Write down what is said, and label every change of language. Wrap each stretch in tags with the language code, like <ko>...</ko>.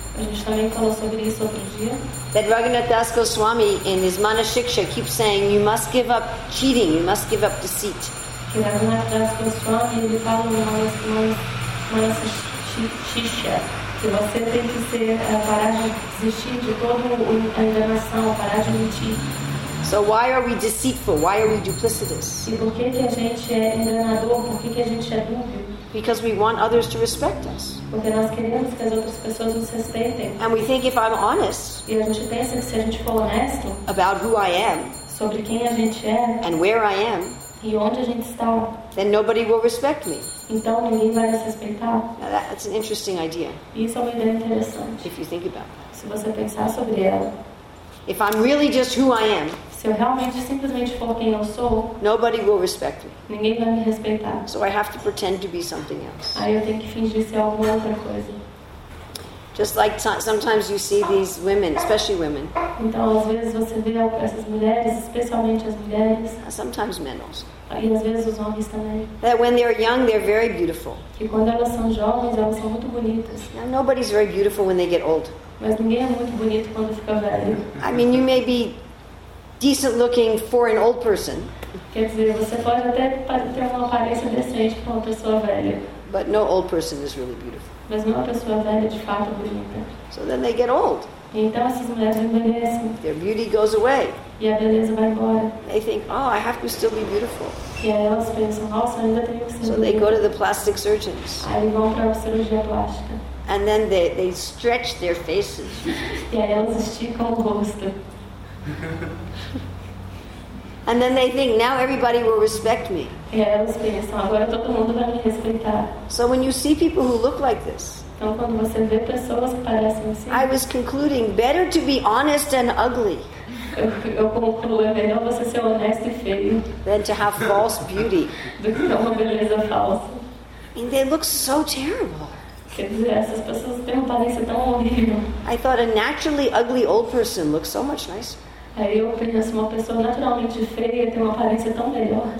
<pt>A gente também falou sobre isso outro dia.</pt> <en>That Raghunath Das Goswami in his Mana Shiksha keeps saying, you must give up cheating, you must give up deceit.</en> <pt>Que Raghunath Das Goswami, ele fala no Mana Shiksha que você tem que parar de desistir de toda a enganação, parar de mentir.</pt> <en>So why are we deceitful? Why are we duplicitous?</en> <pt>E por que que a gente é enganador? Por que que a gente é dúbio?</pt> <en>Because we want others to respect us.</en> <pt>Porque nós queremos que as outras pessoas nos respeitem.</pt> <en>And we think if I'm honest,</en> <pt>e a gente pensa que se a gente for honesto,</pt> <en>about who I am,</en> <pt>sobre quem a gente é,</pt> <en>and where I am,</en> <pt>e onde a gente está,</pt> <en>then nobody will respect me.</en> <pt>Então ninguém vai nos respeitar.</pt> <en>Now that's an interesting idea.</en> <pt>Isso é uma ideia interessante.</pt> <en>If you think about it.</en> <pt>Se você pensar sobre ela.</pt> <en>If I'm really just who I am,</en> <pt>se eu realmente simplesmente for quem eu sou,</pt> <en>nobody will respect me.</en> <pt>Ninguém vai me respeitar.</pt> <en>So I have to pretend to be something else.</en> <pt>Aí eu tenho que fingir ser alguma outra coisa.</pt> <en>Just like sometimes you see these women, especially women.</en> <pt>Então às vezes você vê essas mulheres, especialmente as mulheres.</pt> <en>Sometimes men also.</en> <pt>E às vezes os homens também.</pt> <en>That when they are young, they're very beautiful.</en> <pt>E quando elas são jovens, elas são muito bonitas.</pt> <en>Now, nobody's very beautiful when they get old.</en> <pt>Mas ninguém é muito bonito quando fica velho.</pt> <en>I mean, you may be decent looking for an old person.</en> <pt>Quer dizer, você pode até ter uma aparência decente para uma pessoa velha.</pt> <en>But no old person is really beautiful.</en> <pt>Mas não uma pessoa velha de fato bonita.</pt> <en>So then they get old.</en> <pt>E então essas mulheres envelhecem.</pt> <en>Their beauty goes away.</en> <pt>E a beleza vai embora.</pt> <en>They think, oh, I have to still be beautiful.</en> <pt>E aí elas pensam, nossa, ainda tenho que ser.</pt> <en>So they go to the plastic surgeons.</en> <pt>Aí vão para a cirurgia plástica.</pt> <en>And then they stretch their faces.</en> <pt>E aí elas esticam o rosto.</pt> <en>And then they think, now everybody will respect me.</en> <pt>E aí elas pensam, agora todo mundo vai me respeitar.</pt> <en>So when you see people who look like this,</en> <pt>então quando você vê pessoas que parecem assim,</pt> <en>I was concluding, better to be honest and ugly.</en> <pt>Eu concluo, é melhor você ser honesto e feio.</pt> <en>Than to have false beauty.</en> <pt>Do que ter uma beleza falsa.</pt> <en>And they look so terrible.</en> <pt>Essas pessoas têm uma aparência tão horrível.</pt> <en>I thought a naturally ugly old person looks so much nicer.</en> <pt>Aí eu penso, uma pessoa naturalmente feia tem uma aparência tão melhor.</pt>